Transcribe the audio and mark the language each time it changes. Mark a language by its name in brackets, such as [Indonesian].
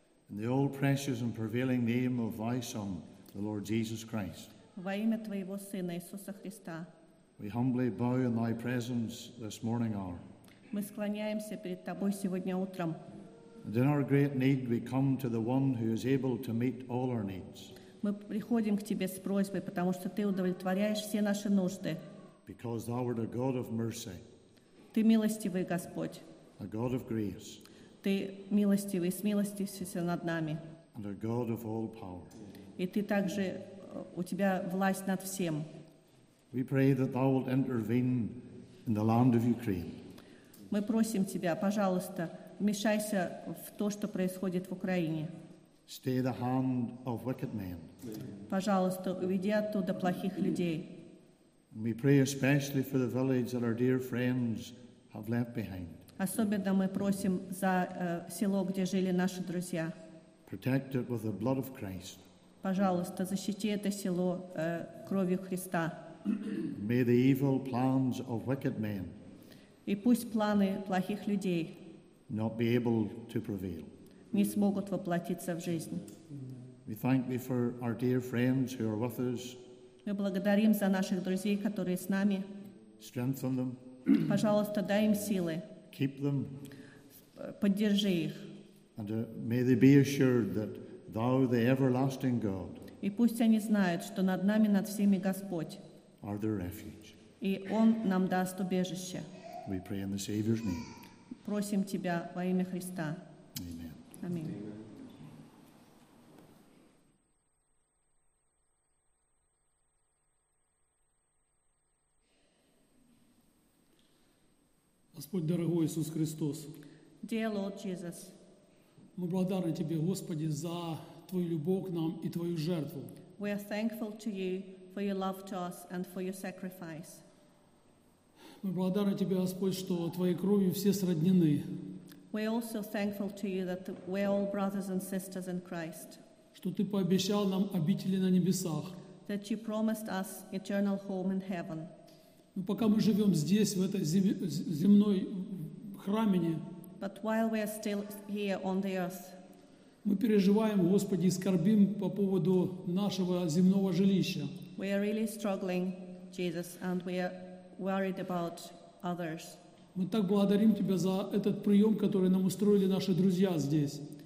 [English] in the all precious and prevailing name of Thy Son, the Lord Jesus Christ, [Russian] во имя Твоего Сына Иисуса Христа, [English] we humbly bow in Thy presence this morning hour. [Russian] Мы склоняемся перед Тобой сегодня утром. [English] And in our great need, we come to the One who is able to meet all our needs. [Russian] Мы приходим к Тебе с просьбой, потому что Ты удовлетворяешь все наши нужды. [English] Because Thou art a God of mercy. [Russian] Ты милостивый Господь. [English] A God of grace. [Russian] Ты милостивый, смилостившийся над нами. [English] And a God of all power. [Russian] И ты также, у тебя власть над всем. [English] We pray that thou wilt intervene in the land of Ukraine. [Russian] Мы просим тебя, пожалуйста, вмешайся в то, что происходит в Украине. [English] Stay the hand of wicked men. [Russian] Пожалуйста, уведи оттуда плохих людей. [English] We pray especially for the village that our dear friends have left behind. [Russian] Особенно мы просим за село, где жили наши друзья. [English] Protect it with the blood of Christ. [Russian] Пожалуйста, защити это село кровью Христа. [English] May the evil plans of wicked men. [Russian] И пусть планы плохих людей. [English] Not be able to prevail. [Russian] Не смогут воплотиться в жизнь. [English] We thank thee for our dear friends who are with us. [Russian] Мы благодарим за наших друзей, которые с нами. [English] Strengthen them. [Russian] Пожалуйста, дай им силы. [English] Keep them. [Russian] Поддержи их. [English] And may they be assured that Thou, the everlasting God. [Russian] И пусть они знают, что над нами, над всеми Господь. [English] Are their refuge. [Russian] И Он нам даст убежище. [English] We pray in the Savior's name. [Russian] Просим тебя во имя Христа. [English] Amen. [Russian] Аминь. Господь, дорогой Иисус Христос, [English] Dear Lord Jesus, [Russian] мы благодарны Тебе, Господи, за Твою любовь к нам и Твою жертву. [English] We are thankful to You for Your love to us and for Your sacrifice. [Russian] Мы благодарны Тебе, Господь, что Твоей кровью все сроднены. [English] We are also thankful to You that we are all brothers and sisters in Christ. [Russian] Что Ты пообещал нам обители на небесах. [English] That You promised us eternal home in heaven. [Russian] Но пока мы живем здесь, в этой земной храмине, [English] But while we are still here on the earth, [Russian] мы переживаем, Господи, и скорбим по поводу нашего земного жилища. [English] We are really struggling, Jesus, and we are worried about others. [Russian] Мы так благодарим Тебя за этот прием, который нам устроили наши друзья здесь.